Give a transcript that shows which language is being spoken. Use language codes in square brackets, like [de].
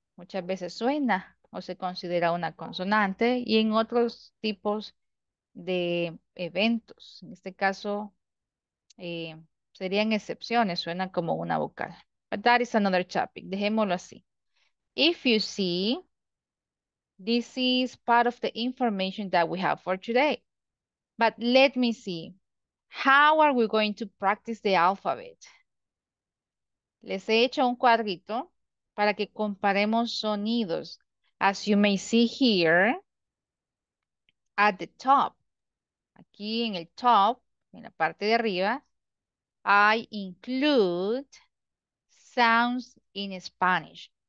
[es] Muchas veces suena o se considera una consonante y en otros tipos de eventos. En este caso, serían excepciones, suena como una vocal. [en] But that is another topic. [es] Dejémoslo así. [en] If you see, this is part of the information that we have for today. But let me see. How are we going to practice the alphabet? [es] Les he hecho un cuadrito para que comparemos sonidos. [en] As you may see here, at the top, [es] aquí en el top, en la parte de arriba, [en] I include sounds in Spanish.